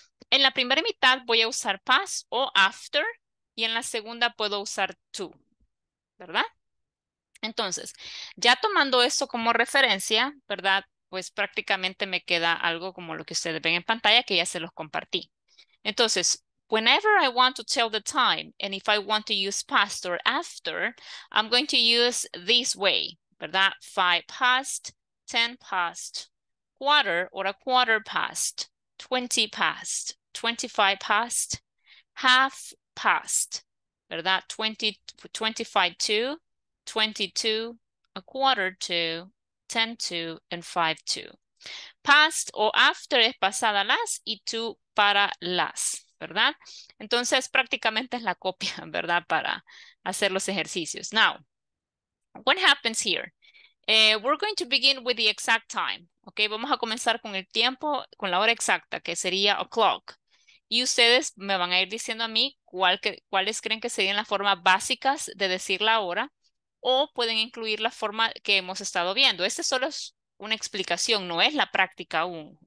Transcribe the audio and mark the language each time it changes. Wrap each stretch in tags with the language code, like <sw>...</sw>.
<es>En la primera mitad voy a usar past o after y en la segunda puedo usar to, ¿verdad? Entonces, ya tomando esto como referencia, ¿verdad? Pues prácticamente me queda algo como lo que ustedes ven en pantalla que ya se los compartí. Entonces,</es> <en>whenever I want to tell the time, and if I want to use past or after, I'm going to use this way,</en> <es>¿verdad?</es> <en>5 past, 10 past, quarter, or a quarter past, 20 past, 25 past, half past,</en> <es>¿verdad?</es> <en>20, 25 to, 22, a quarter to, 10 to, and 5 to.</en> <es>Past o after es pasada las y to para las, ¿verdad? Entonces, prácticamente es la copia, ¿verdad? Para hacer los ejercicios.</es> <en>Now, what happens here? We're going to begin with the exact time.</en> <es>Okay, vamos a comenzar con el tiempo, con la hora exacta, que sería o'clock. Y ustedes me van a ir diciendo a mí cuáles creen que serían las formas básicas de decir la hora, o pueden incluir la forma que hemos estado viendo. Este solo es una explicación, no es la práctica aún.</es>